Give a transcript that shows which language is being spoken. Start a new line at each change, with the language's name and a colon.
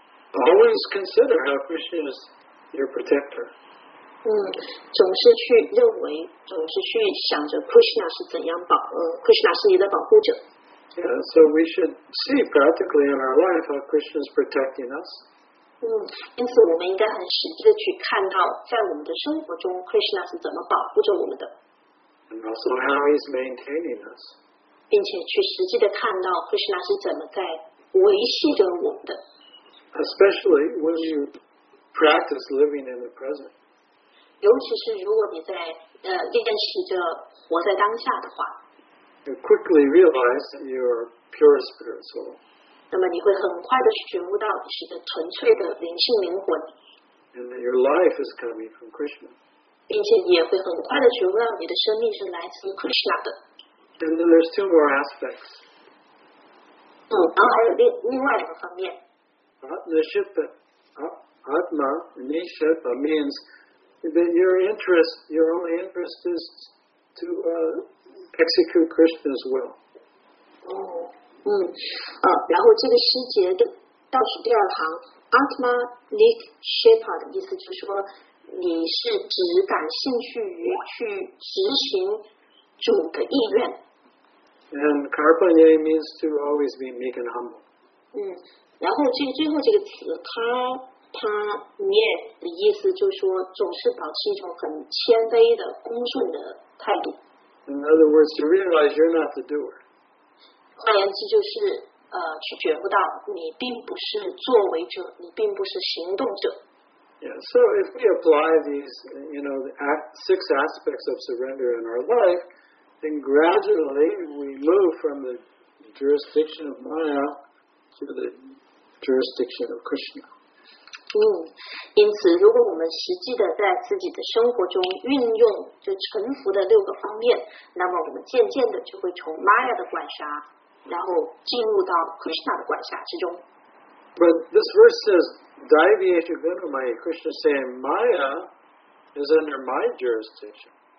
English: Always consider how Krishna is your protector.
Chinese: 总是去认为，总是去想着 Krishna 是怎样保，Krishna 是你的保护者。
English: Yeah, so we should see practically in our life how Krishna is protecting us.
Chinese: 因此我们应该很实际的去看到，在我们的生活中 ，Krishna 是怎么保护着我们的。
English: And also how he's maintaining us.
Chinese: 并且去实际的看到 Krishna 是怎么在维系着我们的。
English: Especially when you practice living in the present.
Chinese: 尤其是如果你在练习着活在当下的话
English: ，you quickly realize that you are pure spirit soul.
Chinese: 那么你会很快的觉悟到你是个纯粹的灵性灵魂
English: ，and that your life is coming from Krishna.
Chinese: 并且也会很快的觉悟到你的生命是来自 Krishna 的。
English: And then there's two more aspects.
Chinese: 然后还有另外两个方面。
English: Atma nishtha means. That your only interest is to execute Krishna's will.
Chinese: 然后这个诗节的倒数第二行 ，Atma Nik Shepa 的意思就是说，你是只感兴趣于去执行主的意愿。
English: And Karpanya means to always be meek and humble.
Chinese: 然后最后这个词，它。他念的意思就是说，总是保持一种很谦卑的、恭顺的态度。
English: In other words, to realize you're not the doer.
Chinese: 换言之，就是去觉悟到你并不是作为者，你并不是行动者。
English: Yeah, so if we apply these, you know, the six aspects of surrender in our life, then gradually we move from the jurisdiction of Maya to the jurisdiction of Krishna.
Chinese: 因此如果我们实际的在自己的生活中运用就臣服的六个方面，那么我们渐渐的就会从 Maya 的管辖然后进入到 Krishna 的管辖之中。
English: But this verse says
Sanskrit: Daiviyeshu Gunamaya
English: Krishna saying Maya is under my jurisdiction.